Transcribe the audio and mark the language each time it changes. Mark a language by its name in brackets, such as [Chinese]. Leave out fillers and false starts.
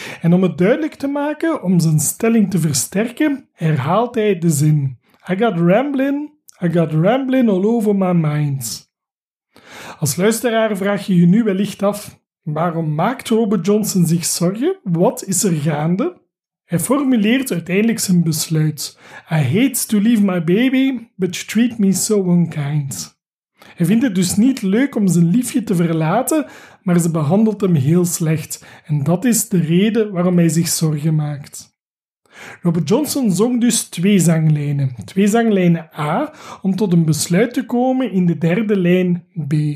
[Dutch] En om het duidelijk te maken, om zijn stelling te versterken, herhaalt hij de zin [English] I got rambling all over my mind. [Dutch] Als luisteraar vraag je je nu wellicht af, waarom maakt Robert Johnson zich zorgen? Wat is er gaande? Hij formuleert uiteindelijk zijn besluit. [English] I hate to leave my baby, but you treat me so unkind. [Dutch] Hij vindt het dus niet leuk om zijn liefje te verlaten, maar ze behandelt hem heel slecht. En dat is de reden waarom hij zich zorgen maakt. Robert Johnson zong dus twee zanglijnen. Twee zanglijnen A, om tot een besluit te komen in de derde lijn B.